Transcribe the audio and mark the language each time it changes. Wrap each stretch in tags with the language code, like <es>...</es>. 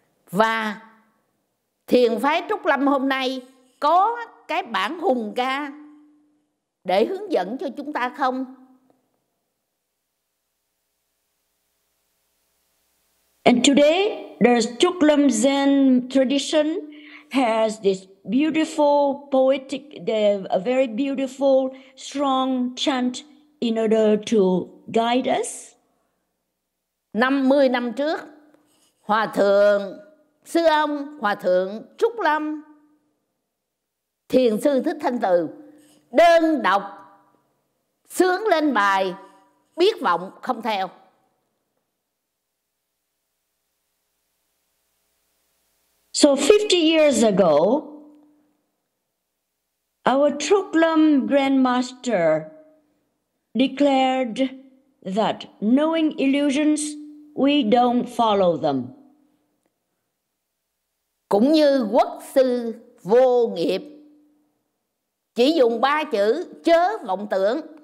<vi>Và thiền phái Trúc Lâm hôm nay có cái bản hùng ca để hướng dẫn cho chúng ta không?</vi> <en>And today, the Trúc Lâm Zen tradition has this beautiful poetic, a very beautiful, strong chant in order to guide us.</en> <vi>50 năm trước, Hòa Thượng, Sư Ông, Hòa Thượng Trúc Lâm, Thiền Sư Thích Thanh Từ, đơn độc, sướng lên bài, biết vọng không theo.</vi> <en>So 50 years ago, our Trúc Lâm Grandmaster declared that knowing illusions, we don't follow them.</en> <vi>Cũng như quốc sư vô nghiệp chỉ dùng ba chữ chớ vọng tưởng.</vi>